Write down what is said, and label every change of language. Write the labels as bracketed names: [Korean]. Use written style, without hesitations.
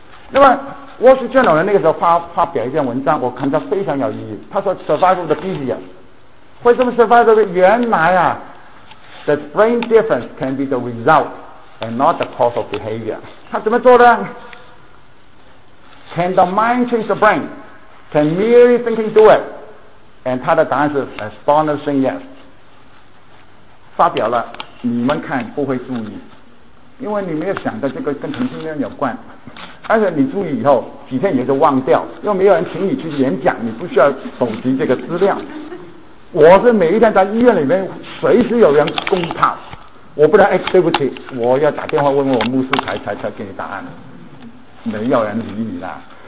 [Chinese] 那么沃斯卷老人那个时候发表一篇文章，我看他非常有意义，他说 survival 的 behavior 为什么 survival 的原来啊 [English] the brain difference can be the result and not the cause of behavior。 [Chinese] 他怎么做的？ [English] Can the mind change the brain? Can merely thinking do it? And [Chinese] 他的答案是 [English] astonishing yes。 [Chinese] 发表了，你们看不会注意，因为你没有想到这个跟同性恋有关，而且你注意以后几天也就忘掉，又没有人请你去演讲，你不需要搜集这个资料。我是每一天在医院里面随时有人攻炮，我不能哎，对不起，我要打电话问我牧师才给你答案，没有人理你了。